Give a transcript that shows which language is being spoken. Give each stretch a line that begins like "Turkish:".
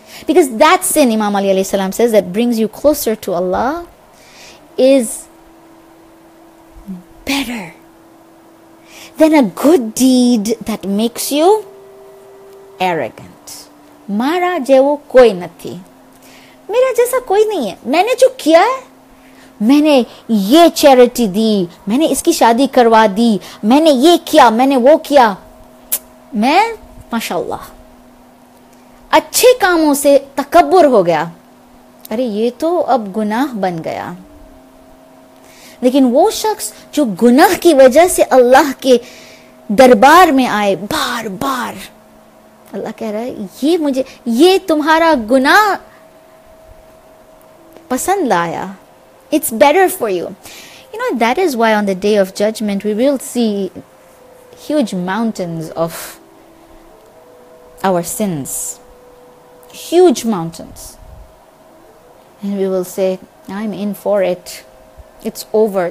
English: Because that sin, Imam Ali alayhi salam says, that brings you closer to Allah is better than a good deed that makes you arrogant.
Gujarati: Mara jevo koi nathi.
Hindi: Mera jaisa koi nahi hai. Maine jo kiya hai, मैंने ये charity दी, मैंने इसकी शादी करवा दी, मैंने ये किया, मैंने वो किया, मैं माशाल्लाह, अच्छे कामों से तकब्बुर हो गया, अरे ये तो अब गुनाह बन गया। लेकिन वो शख्स जो गुनाह की वजह से अल्लाह के दरबार में आए बार बार, अल्लाह कह रहा है ये मुझे, ये तुम्हारा गुनाह पसंद लाया,
English: it's better for you. You know, that is why on the day of judgment we will see huge mountains of our sins, huge mountains, and we will say, I'm in for it, it's over.